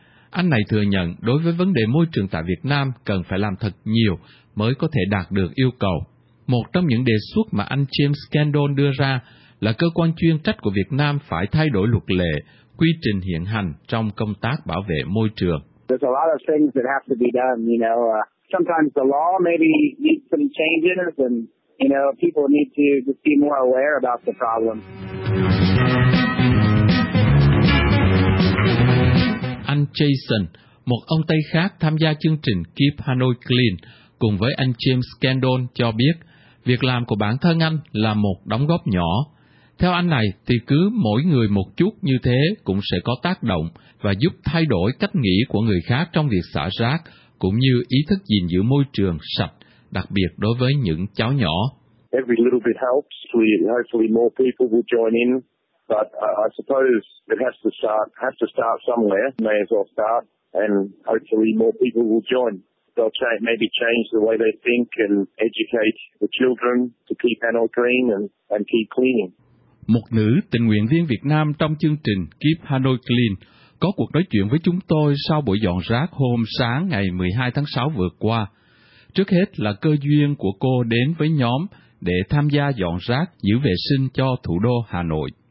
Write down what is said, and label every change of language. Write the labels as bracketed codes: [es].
[vi] Anh này thừa nhận đối với vấn đề môi trường tại Việt Nam cần phải làm thật nhiều mới có thể đạt được yêu cầu. Một trong những đề xuất mà anh James Kendall đưa ra là cơ quan chuyên trách của Việt Nam phải thay đổi luật lệ, quy trình hiện hành trong công tác bảo vệ môi trường. [en] There's a lot of things that have to be done, you know. Sometimes the law maybe needs some changes and, you know, people need to just be more aware about the problem. [vi] Anh Jason, một ông Tây khác tham gia chương trình Keep Hanoi Clean cùng với anh James Kendall cho biết việc làm của bản thân anh là một đóng góp nhỏ. Theo anh này thì cứ mỗi người một chút như thế cũng sẽ có tác động và giúp thay đổi cách nghĩ của người khác trong việc xả rác cũng như ý thức gìn giữ môi trường sạch, đặc biệt đối với những cháu nhỏ. [en] Every little bit helps. Hopefully more people will join in. But I suppose it has to start somewhere. May as well start, and hopefully more people will join. They'll maybe change the way they think and educate the children to keep Hanoi clean and keep cleaning. [vi] Một nữ tình nguyện viên Việt Nam trong chương trình Keep Hanoi Clean có cuộc nói chuyện với chúng tôi sau buổi dọn rác hôm sáng ngày 12 tháng 6 vừa qua. Trước hết là cơ duyên của cô đến với nhóm để tham gia dọn rác giữ vệ sinh cho thủ đô Hà Nội.